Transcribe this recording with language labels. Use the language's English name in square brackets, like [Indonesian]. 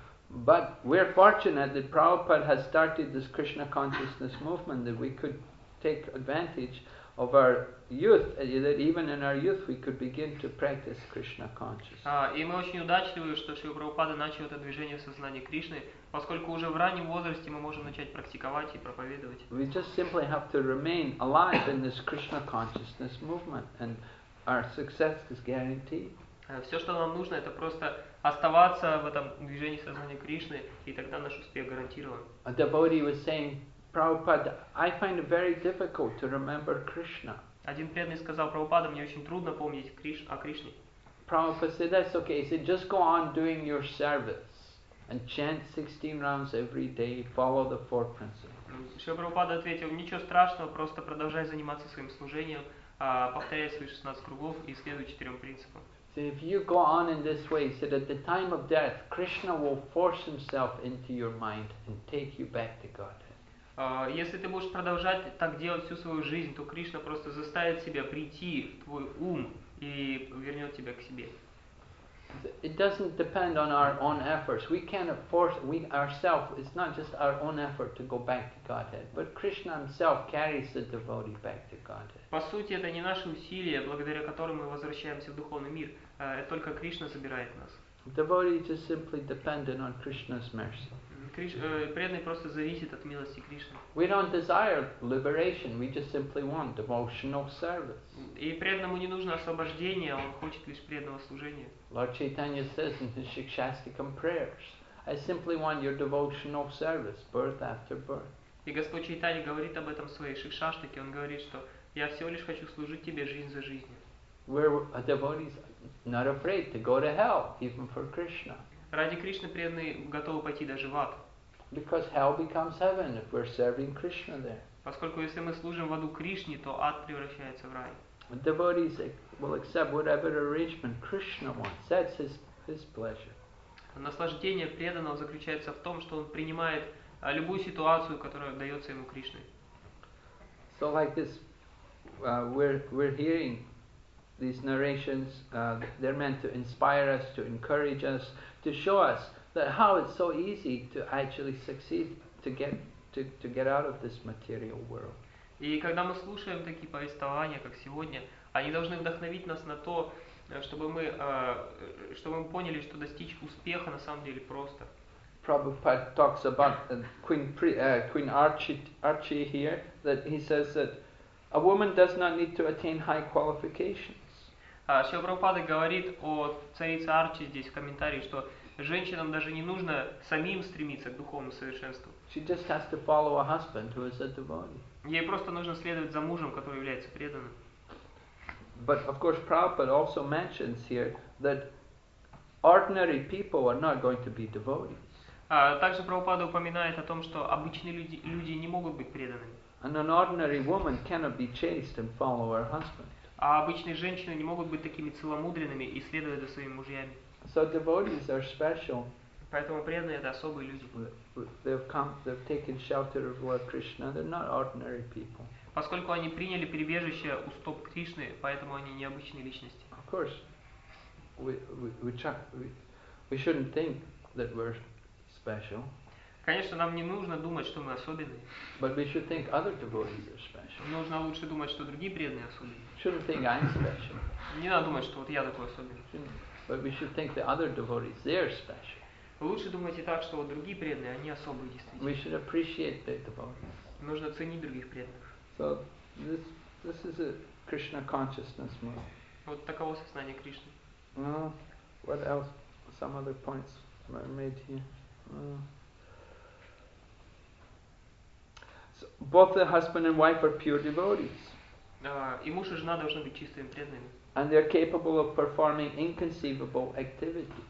[English] But we are fortunate that Prabhupada has started this Krishna consciousness movement that we could take advantage of our youth, that even in our youth we could begin to practice Krishna consciousness. [Russian] И мы очень удачливы, что Шрила Прабхупада начал это движение сознания Кришны, поскольку уже в раннем возрасте мы можем начать практиковать и проповедовать. [English] We just simply have to remain alive in this Krishna consciousness movement, and our success is guaranteed. [Russian] Все, что нам нужно, это просто оставаться в этом движении сознания Кришны, и тогда наш успех гарантирован. [English] A devotee was saying, Prabhupada, I find it very difficult to remember Krishna. [Russian] Один преданный сказал, Прабхупада, мне очень трудно помнить о Кришне. [English] Prabhupada said, that's okay. He said, just go on doing your service and chant 16 rounds every day, follow the four principles. [Russian] Шрила Прабхупада ответил, ничего страшного, просто продолжай заниматься своим служением, повторяй свои 16 кругов и следуй четырем принципам. [English] So if you go on in this way, so that at the time of death, Krishna will force himself into your mind and take you back to Godhead. [Russian] Если ты будешь продолжать так делать всю свою жизнь, то Кришна просто заставит себя прийти в твой ум и вернет тебя к себе. [English] It doesn't depend on our own efforts. We cannot force we ourselves. It's not just our own effort to go back to Godhead, but Krishna himself carries the devotee back to Godhead. [Russian] По сути, это не наши усилия, благодаря которым мы возвращаемся в духовный мир. Это только Кришна забирает нас. [English] Devotee is just simply dependent on Krishna's mercy. [Russian] Преданный просто зависит от милости Кришны. [English] We don't desire liberation. We just simply want devotional service. [Russian] И преданному не нужно освобождение, он хочет лишь преданного служения. [English] Lord Chaitanya says in his Shikshastikam prayers, I simply want your devotional service, birth after birth. [Russian] И Господь Чайтанья говорит об этом в своей Шикшаштике. Он говорит, что я всего лишь хочу служить тебе жизнь за жизнью. [English] Where a devotee is not afraid to go to hell, even for Krishna. [Russian] Ради Кришны преданные готовы пойти даже в ад. [English] Because hell becomes heaven if we're serving Krishna there. [Russian] Поскольку если мы служим в аду Кришне, то ад превращается в рай. [English] Devotees will accept whatever arrangement Krishna wants. That's his pleasure. [Russian] Наслаждение преданного заключается в том, что он принимает любую ситуацию, которая дается ему Кришной. [English] So like this, we're hearing these narrations. They're meant to inspire us, to encourage us, to show us that how it's so easy to actually succeed, to get out of this material world. [Russian] И когда мы слушаем такие повествования, как сегодня, они должны вдохновить нас на то, чтобы мы поняли, что достичь успеха на самом деле просто. [English] Prabhupada talks about Queen Archie here, that he says that a woman does not need to attain high qualifications. [Russian] Шрила Прабхупада говорит о царице Арчи здесь в комментарии, что женщинам даже не нужно самим стремиться к духовному совершенству. [English] She just has to follow a husband who is a devotee. [Russian] Ей просто нужно следовать за мужем, который является преданным. [English] But of course, Prabhupada also mentions here that Ordinary people are not going to be devotees. [Russian] Также Прабхупада упоминает о том, что обычные люди не могут быть преданными. [English] And an ordinary woman cannot be chaste and follow her husband. [Russian] А обычные женщины не могут быть такими целомудренными и следовать за своими мужьями. [English] So devotees are special. [Russian] Поэтому преданные — это особые люди. [English] They've taken shelter of Lord Krishna. They're not ordinary people. [Russian] Поскольку они приняли прибежище у стоп Кришны, поэтому они необычные личности. [English] Of course, we shouldn't think that we're special. [Russian] Конечно, нам не нужно думать, что мы особенные. [English] But we should think other devotees are special. [Russian] Нужно лучше думать, что другие преданные особенные. [English] Shouldn't think I'm special. [Russian] Не надо думать, что вот я такой особенный. [English] But we should think the other devotees, they're special. [Russian] Лучше думайте так, что вот другие преданные, они особые действительно. [English] We should appreciate the devotees. [Russian] Нужно ценить других преданных. [English] So this is a Krishna consciousness move. [Russian] Вот таково сознание Кришны. [English] What else? Some other points were made here. So both the husband and wife are pure devotees. [Russian] И муж и жена должны быть чистыми преданными. [English] And they are capable of performing inconceivable activities.